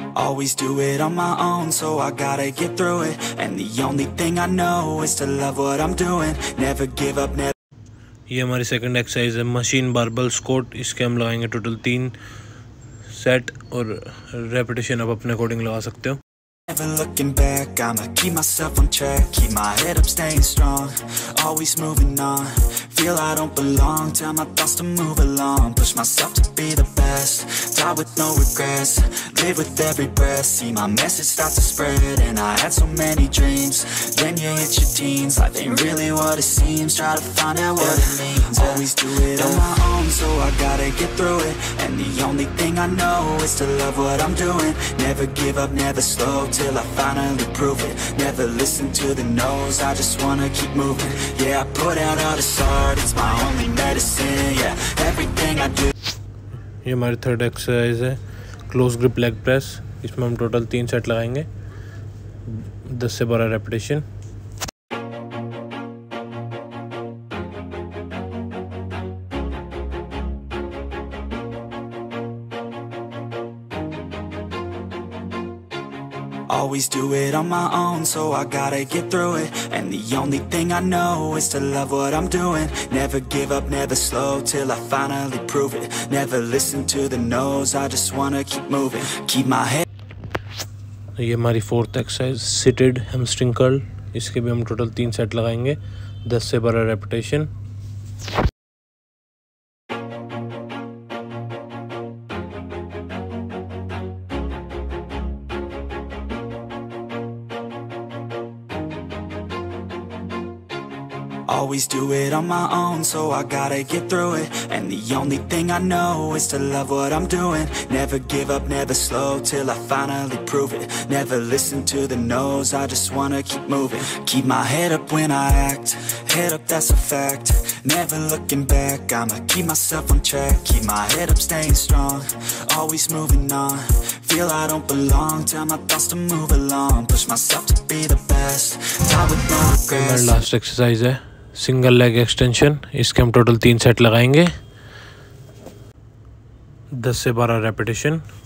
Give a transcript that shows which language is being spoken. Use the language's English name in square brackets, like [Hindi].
[English] Always do it on my own, so I gotta get through it. And the only thing I know is to love what I'm doing. Never give up, never. [Hindi] ये हमारी second exercise है machine barbell squat. इसके हम लगाएंगे total 3 set और repetition आप अपने according लगा सकते हो। [English] Never looking back, I'ma keep myself on track. Keep my head up, staying strong. Always moving on. Feel I don't belong. Tell my thoughts to move along. Push myself to be the best. Die with no regrets. Live with every breath. See my message start to spread. And I had so many dreams. Then you hit your teens. Life ain't really what it seems. Try to find out what it means. Always do it on my own, so I gotta get through it. And the only thing I know is to love what I'm doing. Never give up, never slow. Till I finally prove it. Never listen to the no's. I just wanna keep moving. Yeah, I put out all the art. It's my only medicine. Yeah, everything I do. [Hindi] ये हमारी third exercise है close grip leg press. इसमें हम total 3 set लगाएंगे, 10 से 12 repetition. [English] Always do it on my own, so I gotta get through it. And the only thing I know is to love what I'm doing. Never give up, never slow, till I finally prove it. Never listen to the no's, I just wanna keep moving. Keep my head. [Hindi] ये हमारी fourth exercise seated hamstring curl. इसके भी हम total 3 set लगाएंगे, 10 से 12 repetition. [English] Always do it on my own, so I gotta get through it. And the only thing I know is to love what I'm doing. Never give up, never slow, till I finally prove it. Never listen to the no's, I just wanna keep moving. Keep my head up when I act. Head up, that's a fact. Never looking back, I'ma keep myself on track. Keep my head up, staying strong. Always moving on. Feel I don't belong, tell my thoughts to move along. Push myself to be the best. Die with no regrets. My last exercise, eh? Single leg extension. [Hindi] इसके हम total 3 set लगाएंगे, 10 से 12 repetition.